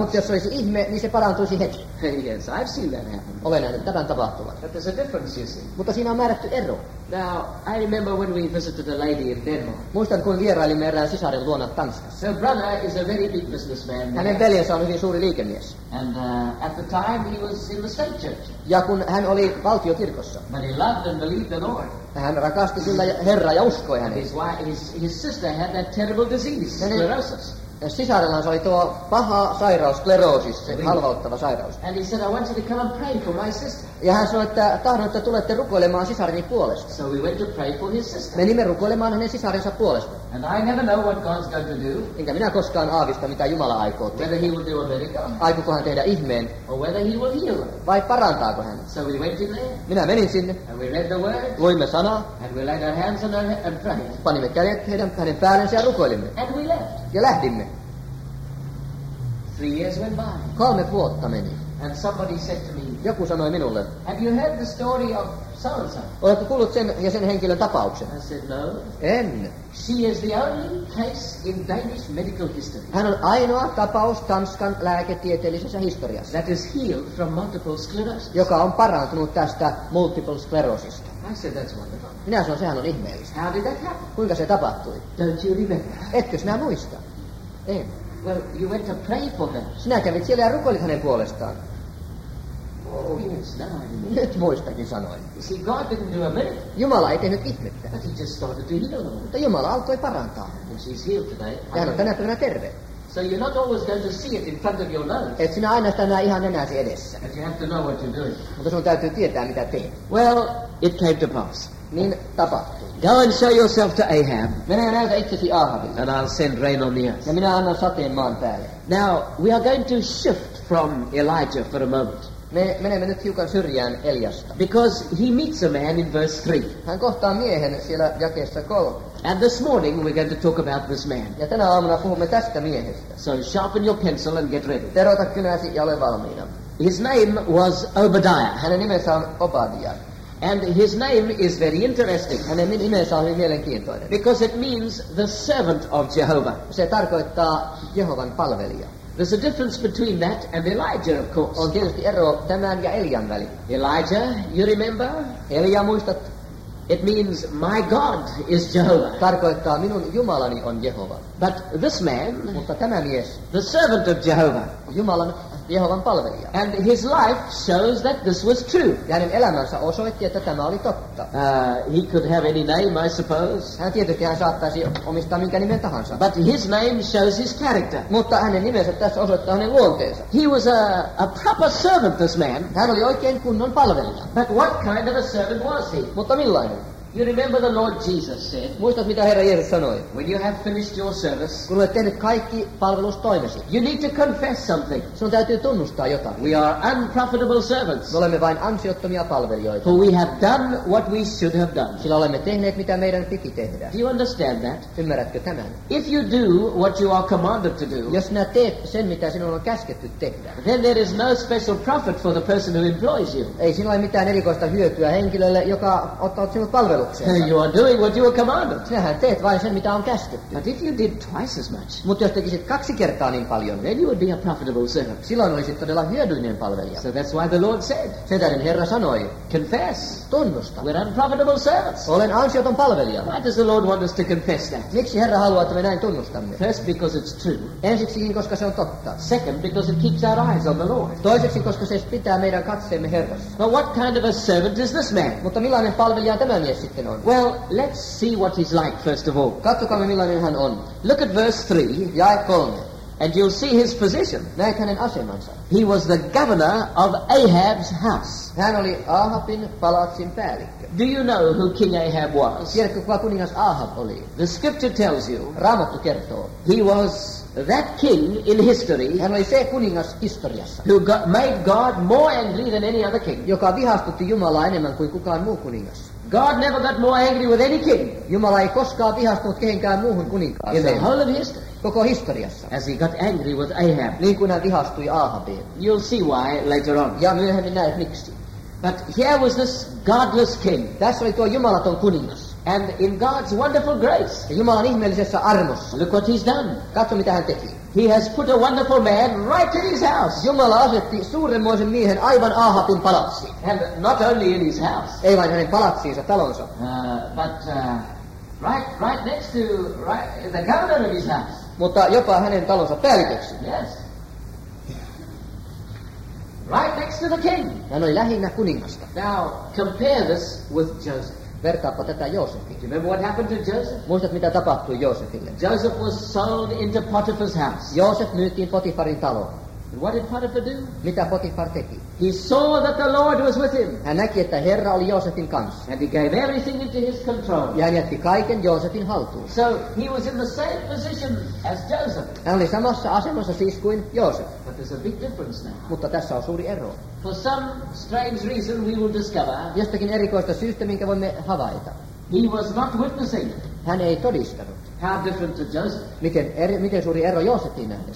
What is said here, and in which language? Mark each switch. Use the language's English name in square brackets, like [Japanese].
[Finnish] Mutta jos olisi ihme, niin se parantuu. [English] Yes, I've seen that happen. [Finnish] Olen nähnyt tämän tapahtuvan. [English] But there's a difference, you see. [Finnish] Mutta siinä on määrätty ero. [English] Now, I remember when we visited a lady in Denmark. [Finnish] Muistan, kun vierailimme erään sisaren luona Tanskassa. [English] Her brother is a very big businessman. [Finnish] Hänen veljensä on hyvin suuri liikemies. [English] And at the time he was in the state church. [Finnish] Ja kun hän oli valtiokirkossa. [English] But he loved and believed the Lord. [Finnish] Hän rakasti kyllä Herraa ja uskoi häneen. [English] His sister had that terrible disease, sclerosis. [Finnish] Sisarellaan se oli tuo paha sairaus, skleroosis, se halvauttava sairaus. [English] And he said, I want you to come and pray for my sister. [Finnish] Ja hän sanoi, että tahdon, että tulette rukoilemaan sisareni puolesta. [English] So we went to pray for his sister. [Finnish] Menimme rukoilemaan hänen sisarensa puolesta. [English] And I never know what God's going to do. [Finnish] Enkä minä koskaan aavista, mitä Jumala aikoo tehdä. [English] Whether he will do a miracle. [Finnish] Aikuko hän tehdä ihmeen. [English] Or whether he will heal. [Finnish] Vai parantaako hän. [English] So we went in there. [Finnish] Minä menin sinne. [English] And we read the word. [Finnish] Luimme sanaa. [English] And we laid our hands on her and prayed. [Finnish] Panimme kädet hänen päällensä ja rukoilimme. [English] And we left. [Finnish] Ja lähdimme. [English] 3 years went by. [Finnish] 3 vuotta meni. [English] And somebody said to me. [Finnish] Joku sanoi minulle. [English] Have you heard the story of so-and-so? [Finnish] Oletko kuullut sen ja sen henkilön tapauksen? [English] I said no. [Finnish] En. [English] She is the only case in Danish medical history. [Finnish] Hän on ainoa tapaus Tanskan lääketieteellisessä historiassa. [English] That is healed from multiple sclerosis. [Finnish] Joka on parantunut tästä multiple sclerosista. [English] I said that's wonderful. [Finnish] Minä sanoin, sehän on ihmeellistä. [English] How did that happen? [Finnish] Kuinka se tapahtui? [English] Don't you remember? [Finnish] Etkö sinä muista? En. [English] Well, you went to pray for her. [Finnish] Sinä kävit siellä ja rukoilit hänen puolestaan. [English] Oh, yes, now I mean. [Finnish] Nyt muistakin sanoin. [English] See, God didn't do a miracle. [Finnish] Jumala ei tehnyt ihmettä. [English] But he just started to heal her. [Finnish] Mutta Jumala alkoi parantaa. [English] And she's healed today. [Finnish] Ja hän on tänä päivänä terve. [English] So you're not always going to see it in front of your nose. [Finnish] Et sinä aina sitä näe ihan nenäsi edessä. [English] But you have to know what you're doing. [Finnish] Mutta sinun täytyy tietää, mitä teet. [English] Well, it came to pass. [Finnish] Niin tapahtui. [English] Go and show yourself to Ahab. [Finnish] Minä näytän itsesi Ahabille. [English] And I'll send rain on the earth. [Finnish] Ja minä annan sateen maan päälle. [English] Now, we are going to shift from Elijah for a moment. [Finnish] Me menemme nyt hiukan syrjään Eliasta. [English] Because he meets a man in verse 3. [Finnish] Hän kohtaa miehen siellä jakeessa 3. [English] And this morning we're going to talk about this man. [Finnish] Ja tänä aamuna puhumme tästä miehestä. [English] So sharpen your pencil and get ready. [Finnish] Teroita kynäsi ja ole valmiina. [English] His name was Obadiah. [Finnish] Hänen nimensä on Obadiah. [English] And his name is very interesting. [Finnish] Hänen nimensä on hyvin mielenkiintoinen. [English] Because it means the servant of Jehovah. [Finnish] Se tarkoittaa Jehovan palvelija. [English] There's a difference between that and Elijah, of course. [Finnish] On tietysti ero tämän ja Elian välillä. [English] Elijah, you remember? [Finnish] Elia, muistat? [English] It means my God is Jehovah. [Finnish] Tarkoittaa minun Jumalani on Jehova. [English] But this man, [Finnish] mutta tämä mies, [English] the servant of Jehovah, [Finnish] Jumalan Jehovan palvelija. [English] And his life shows that this was true. [Finnish] Ja hänen elämänsä osoitti, että tämä oli totta. [English] He could have any name, I suppose. [Finnish] Hän tietysti hän saattaisi omistaa minkä nimen tahansa. [English] But his name shows his character. [Finnish] Mutta hänen nimensä tässä osoittaa hänen luonteensa. [English] He was a proper servant, this man. [Finnish] Hän oli oikein kunnon palvelija. [English] But what kind of a servant was he? [Finnish] Mutta millainen? [English] You remember the Lord Jesus said. [Finnish] Muistat mitä Herra Jeesus sanoi. [English] When you have finished your service. [Finnish] Kun olet tehnyt kaikki palvelustoimesi. [English] You need to confess something. [Finnish] Sinun täytyy tunnustaa jotakin. [English] We are unprofitable servants. [Finnish] Me olemme vain ansiottomia palvelijoita. [English] For we have done what we should have done. [Finnish] Sillä olemme tehneet mitä meidän piti tehdä. [English] Do you understand that? [Finnish] Ymmärrätkö tämän? [English] If you do what you are commanded to do. [Finnish] Jos sinä teet sen mitä sinun on käsketty tehdä. [English] Then there is no special profit for the person who employs you. [Finnish] Ei sinulla ole mitään erikoista hyötyä henkilölle joka ottaa sinut palvelu. [English] You are doing what you are commanded. [Finnish] Sinähän teet vain sen, mitä on käsketty. [English] But if you did twice as much, [Finnish] mutta jos tekisit kaksi kertaa niin paljon, [English] then you would be a profitable servant. [Finnish] Silloin olisit todella hyödyllinen palvelija. [English] So that's why the Lord said. [Finnish] Sen tähden Herra sanoi. [English] Confess. [Finnish] Tunnusta. [English] We're unprofitable servants. [Finnish] Olen ansioton palvelija. [English] Why does the Lord want us to confess that? [Finnish] Miksi Herra haluaa, että me näin tunnustamme? [English] First, because it's true. [Finnish] Ensiksikin, koska se on totta. [English] Second, because it keeps our eyes on the Lord. [Finnish] Toiseksi, koska se pitää meidän katseemme Herrassa. [English] But what kind of a servant is this man? [Finnish] Mutta millainen palvelija on tämä mies? [English] Well, let's see what he's like first of all. [Finnish] Katsokaamme millainen hän on. [English] Look at verse 3. [Finnish] Jae 3. [English] And you'll see his position. [Finnish] Näet hänen asemansa. [English] He was the governor of Ahab's house. [Finnish] Hän oli Ahabin palatsin päällikkö. [English] Do you know who King Ahab was? [Finnish] Tiedätkö kuka kuningas Ahab oli? [English] The scripture tells you. [Finnish] Raamattu kertoo. [English] He was that king in history. [Finnish] Hän oli se kuningas historiassa. [English] Who made God more angry than any other king. [Finnish] Joka vihastutti Jumalaa enemmän kuin kukaan muu kuningas. [English] God never got more angry with any king. [Finnish] Jumala ei koskaan vihastunut kehenkään muuhun kuninkaaseen. [English] In the whole of history. [Finnish] Koko historiassa. [English] As he got angry with Ahab. [Finnish] Niin kuin hän vihastui Ahabiin. [English] You'll see why later on. [Finnish] Ja myöhemmin näet miksi. [English] But here was this godless king. [Finnish] Tässä oli tuo jumalaton kuningas. [English] And in God's wonderful grace. [Finnish] Ja Jumalan ihmeellisessä armossa. [English] Look what he's done. [Finnish] Katso mitä hän teki. [English] He has put a wonderful man right in his house. [Finnish] Jumala asetti suuremmoisen miehen aivan Ahabin palatsiin. [English] And not only in his house. [Finnish] Ei vain hänen palatsiinsa, talonsa. [English] But right next to the governor of his house. [Finnish] Mutta jopa hänen talonsa päälliköksi. [English] Yes. Right next to the king. [Finnish] Hän oli lähinnä kuningasta. [English] Now compare this with Joseph. [Finnish] Vertaappa tätä Joosefiin. [English] Remember what happened to Joseph? [Finnish] Muistat mitä tapahtui Joosefille? [English] Joseph was sold into Potiphar's house. [Finnish] Joosef myytiin Potifarin taloon. [English] And what did Potiphar do? [Finnish] Mitä Potifar teki? [English] He saw that the Lord was with him. [Finnish] Hän näki että Herra oli Joosefin kanssa. [English] And he gave everything into his control. [Finnish] Ja hän jätti kaiken Joosefin haltuun. [English] So he was in the same position as Joseph. [Finnish] Hän oli samassa asemassa siis kuin Joosef. [English] But there's a big difference now. [Finnish] Mutta tässä on suuri ero. [English] For some strange reason we will discover. [Finnish] Jostakin erikoista syystä minkä voimme havaita. [English] He was not witnessing. [Finnish] Hän ei todistanut. [English] How different to Joseph? [Finnish] Miten suuri ero Joosefiin nähden?